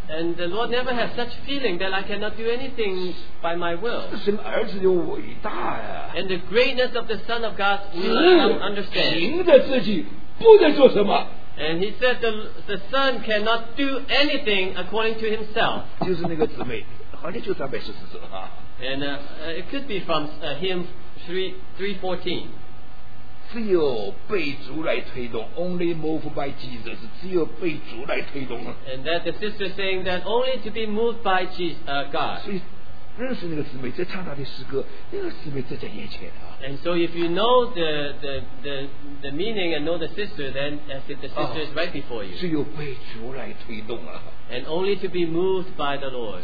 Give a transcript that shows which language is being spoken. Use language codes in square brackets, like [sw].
[en] And the Lord never has such feeling that I cannot do anything by my will. [zh] 神儿子就伟大呀。 [en] And the greatness of the Son of God, we understand. [zh] 凭着自己不能做什么。 [en] And he said the son cannot do anything according to himself. [zh] 就是那个姊妹，好像就三百四十首啊。 [en] And it could be from hymn 3:14. [zh] 只有被主来推动 ， [en] only moved by Jesus. [zh] 只有被主来推动。 [en] And that the sister saying that only to be moved by Jesus, God. [zh] 认识那个姊妹在唱她的诗歌，那个姊妹就在眼前啊。 [en] And so if you know the meaning and know the sister, then as if the sister is right before you. [zh] 只有被主来推动啊。 [en] And only to be moved by the Lord.